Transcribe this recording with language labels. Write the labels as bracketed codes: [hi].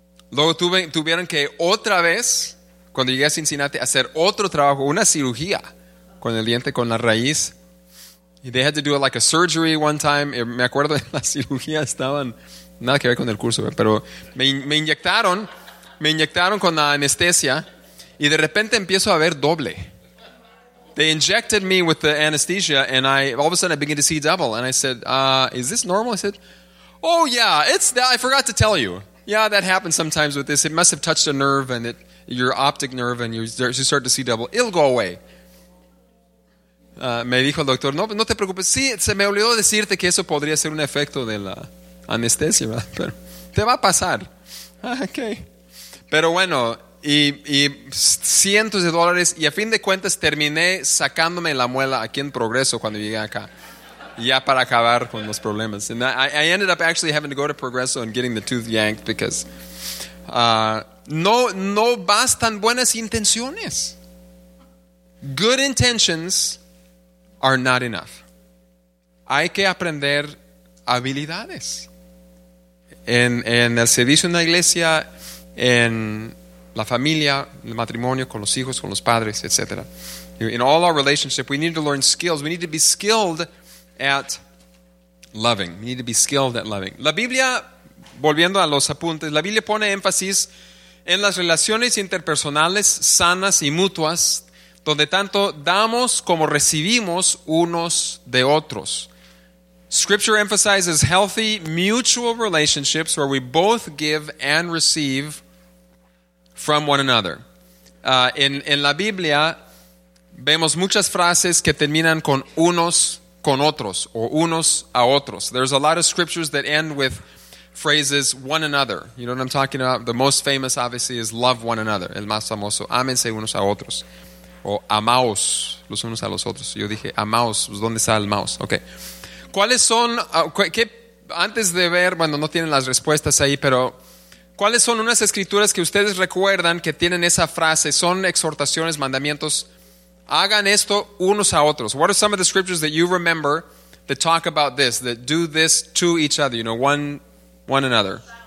[es] Luego tuvieron que otra vez, cuando llegué a Cincinnati, hacer otro trabajo, una cirugía con el diente, con la raíz. [en] They had to do it like a surgery one time. [es] Me acuerdo de la cirugía, estaban, nada que ver con el curso, pero me inyectaron con la anestesia y de repente empiezo a ver doble. [en] They injected me with the anesthesia and I all of a sudden I begin to see double. And I said, is this normal? I said, oh yeah, it's that, I forgot to tell you. Yeah, that happens sometimes with this. It must have touched a nerve and your optic nerve and you start to see double. It'll go away. [es] Me dijo el doctor, no te preocupes. Sí, se me olvidó decirte que eso podría ser un efecto de la anestesia, ¿verdad? Pero te va a pasar. Okay. Pero bueno, y cientos de dólares, y a fin de cuentas terminé sacándome la muela aquí en Progreso cuando llegué acá. Ya para acabar con los problemas. [en] And I ended up actually having to go to Progreso and getting the tooth yanked because [es] no bastan buenas intenciones. [en] Good intentions are not enough. [es] Hay que aprender habilidades. En el servicio en la iglesia, en la familia, el matrimonio, con los hijos, con los padres, etc. [en] In all our relationship, we need to learn skills. We need to be skilled at loving. We need to be skilled at loving. [es] La Biblia, volviendo a los apuntes, la Biblia pone énfasis en las relaciones interpersonales sanas y mutuas, donde tanto damos como recibimos unos de otros. [en] Scripture emphasizes healthy mutual relationships where we both give and receive from one another. [es] En la Biblia vemos muchas frases que terminan con unos con otros o unos a otros. [en] There's a lot of scriptures that end with phrases one another. You know what I'm talking about? The most famous obviously is love one another. [es] El más famoso, ámense unos a otros. O amaos los unos a los otros. Yo dije amaos, pues ¿dónde está el maos? Okay. ¿Cuáles son, qué, antes de ver, bueno, no tienen las respuestas ahí, pero ¿cuáles son unas escrituras que ustedes recuerdan que tienen esa frase? Son exhortaciones, mandamientos. Hagan esto unos a otros. [en] What are some of the scriptures that you remember that talk about this, that do this to each other, you know, one another?